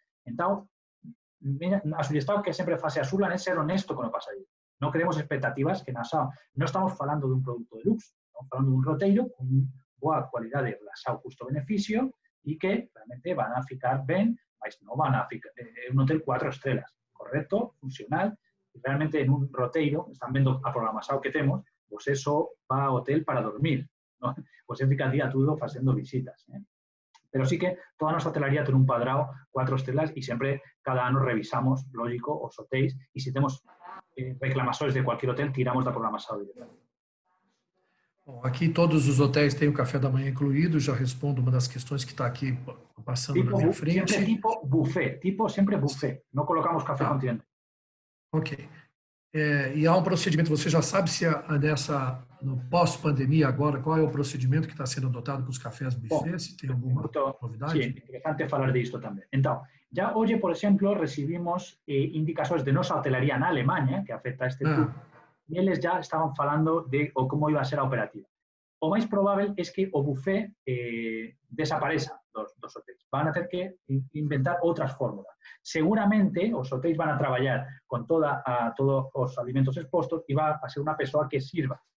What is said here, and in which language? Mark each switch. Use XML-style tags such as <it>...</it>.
<pt>Então, a sugestão que sempre faz a Azul é ser honesto com o passageiro. Não queremos expectativas que na sala. Não estamos falando de um produto de luxo. Estamos falando de um roteiro com boa qualidade de relação custo-benefício e que realmente vão ficar bem, mas não vão ficar... É um hotel 4 estrelas, correto, funcional.</pt> <es>Realmente en un roteiro, están viendo a programación que tenemos, pues eso va a hotel para dormir, ¿no? Pues fica el día todo haciendo visitas, ¿eh? Pero sí que toda nuestra hotelería tiene un padrão 4 estrellas y siempre cada año revisamos, lógico, los hoteles y si tenemos reclamaciones de cualquier hotel, tiramos la programación directamente. Aquí todos los hoteles tienen café de la mañana incluido, ya respondo una de las cuestiones que está aquí pasando tipo,</es> <pt>na minha frente.</pt> <es>Siempre tipo buffet, no colocamos café continental. Ok.</es> <pt>E há um procedimento, você já sabe se nessa, no pós-pandemia agora, qual é o procedimento que está sendo adotado para os cafés buffet, se tem alguma novidade? Sim, interessante falar disso também. Então, já hoje, por exemplo, recebemos indicações de nossa hotelaria na Alemanha, que afeta este tipo, e eles já estavam falando de ou como ia ser a operativa. O mais provável é que o buffet desapareça dos hotéis. Van a ter que inventar outras fórmulas. Seguramente os hotéis van a trabalhar con todos os alimentos expostos e va a ser unha persoa que sirva.</pt>